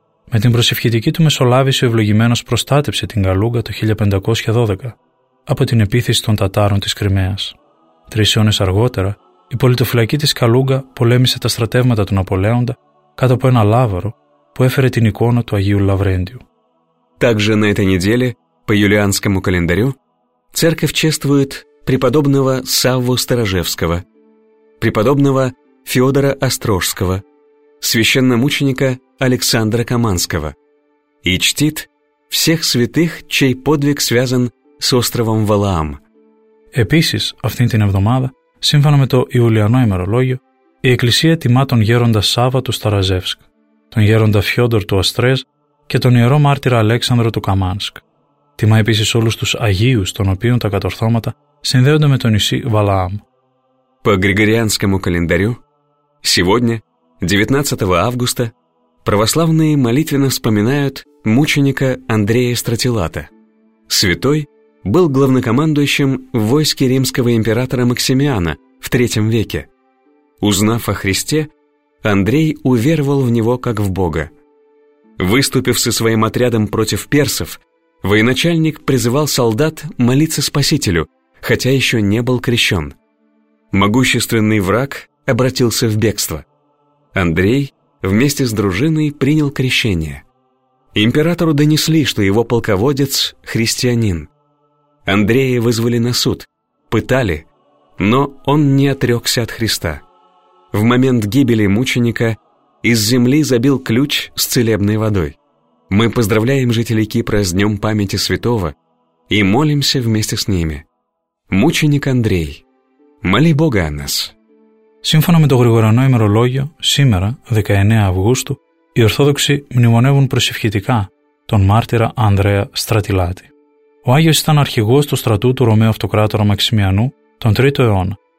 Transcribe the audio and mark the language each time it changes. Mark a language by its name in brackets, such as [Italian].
[Greek] Με την προσευχητική του μεσολάβηση ο Ευλογημένος προστάτεψε την Καλούγα το 1512 από την επίθεση των Τατάρων της Κρυμαίας. 3 αιώνες αργότερα, η πολιτοφυλακή της Καλούγα πολέμησε τα στρατεύματα των Απολέοντα κάτω από ένα λάβαρο που έφερε την εικόνα του Αγίου Λαβρέντιου. [Russian] Также на этой неделе по юлианскому календарю Церковь чествует преподобного Савву Старожевского, преподобного Феодора Острожского, священномученика Александра Каманского и чтит всех святых, чей подвиг связан с островом Валаам. [Greek] Επίσης, αυτήν την εβδομάδα, σύμφωνα με το Ιουλιανό ημερολόγιο, η Εκκλησία τιμά τον γέροντα Σάββα του Σταραζεύσκ, τον γέροντα Φιόντορ του Αστρές και τον ιερό μάρτυρα Αλέξανδρο του Καμάνσκ. Τιμά επίσης όλους τους Αγίους, των οποίων τα κατορθώματα συνδέονται με το νησί Βαλαάμ. [Russian] по Григорианскому календарю, сегодня, 19 августа, православные молитвенно вспоминают мученика Андрея Стратилата. Святой был главнокомандующим в войске римского императора Максимиана в III веке. Узнав о Христе, Андрей уверовал в него как в Бога. Выступив со своим отрядом против персов, военачальник призывал солдат молиться Спасителю, хотя еще не был крещен. Могущественный враг обратился в бегство. Андрей вместе с дружиной принял крещение. Императору донесли, что его полководец — христианин. Андрея вызвали на суд, пытали, но он не отрекся от Христа. В момент гибели мученика из земли забил ключ с целебной водой. Мы поздравляем жителей Кипра с Днем памяти святого и молимся вместе с ними. Мученик Андрей, моли Бога о нас. [Greek] Σύμφωνα με το Γρηγοριανό ημερολόγιο, σήμερα, 19 Αυγούστου, οι Ορθόδοξοι μνημονεύουν προσευχητικά τον μάρτυρα Ανδρέα Στρατιλάτη. Ο Άγιος ήταν αρχηγός του στρατού του Ρωμαίου Αυτοκράτορα Μαξιμιανού τον 3ο αιώνα.